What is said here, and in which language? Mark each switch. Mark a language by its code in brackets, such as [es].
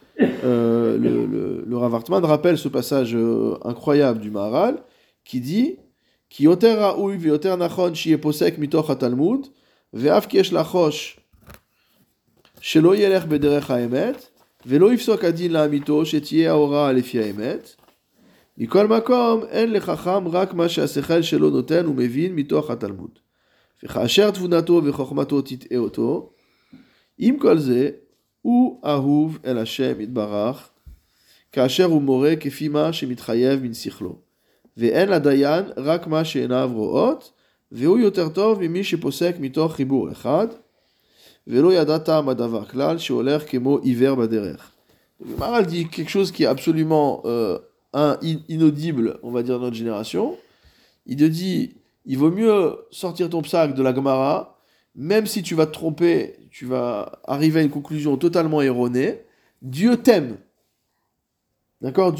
[fr] le Rav Hartman rappelle ce passage incroyable du Maharal qui dit qui [he] yoter ra'ui ve yoter nachon shi yeposek mitokh ha-Talmud ve'af ki yesh lachosh shelo yelech bederech ha-emet ולא יפסוק הדין לאמיתו שתהיה ההוראה לפי האמת. מכל מקום, אין לחכם רק מה שהשכל שלו נותן ומבין מתוך התלמוד. וכאשר תבונתו וחוכמתו תטעה אותו, עם כל זה, הוא אהוב אל השם יתברך, כאשר הוא מורה כפי מה שמתחייב מן שכלו. ואין לדיין רק מה שעיניו רואות, והוא יותר טוב ממי שפוסק מתוך חיבור אחד, ולא ידעת טעם הדבר כלל שהולך כמו עיוור בדרך. [fr] מהר"ל dit quelque chose qui est absolument inaudible, on va dire, dans notre génération. Il te dit, il vaut mieux sortir ton psaque de la Gemara, même si tu vas te tromper, tu vas arriver à une conclusion totalement erronée. Dieu t'aime. D'accord ?